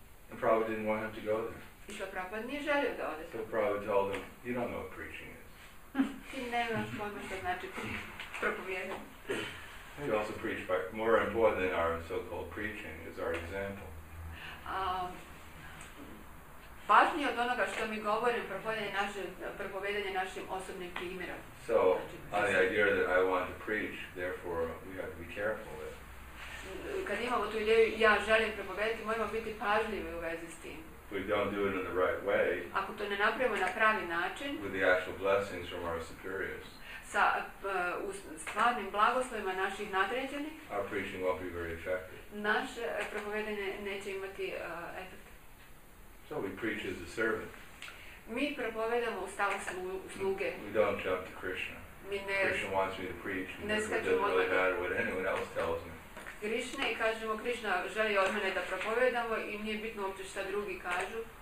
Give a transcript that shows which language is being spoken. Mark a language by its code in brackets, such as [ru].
[en] And Prabhupada didn't want him to go there. [hr] I Šla Prabhupada nije želio da ode. [en] So Prabhupada told him, you don't know what preaching is. [hr] Ti nemaš pojma što znači propovedanje. [en] He also preached by more important than our so-called preaching is our example. [hr] Važnije od onoga što mi govorim, propovedanje našim osobnim primjerom. [en] So, on the idea that I want to preach, therefore we have to be careful with. [hr] Kad imamo tu ideju, ja želim propovediti, moramo biti pažljivi u vezi s tim. [en] If we don't do it in the right way, [hr] ako to ne napravimo na pravi način, [en] with the actual blessings from our superiors, [hr] sa stvarnim blagoslovima naših nadređenih, [en] our preaching won't be very effective. [hr] Naše propovedanje neće imati efekt. [en] So we preach as a servant. [hr] Mi propovedamo u stavu sluge. [en] We don't jump to Krishna. Krishna wants me to preach. [hr] Ne skačemo od toga. [en] What anyone else tells me. [hr] Krishna i kažemo Krishna želi od mene da propovedamo i nije bitno uopće šta drugi kažu.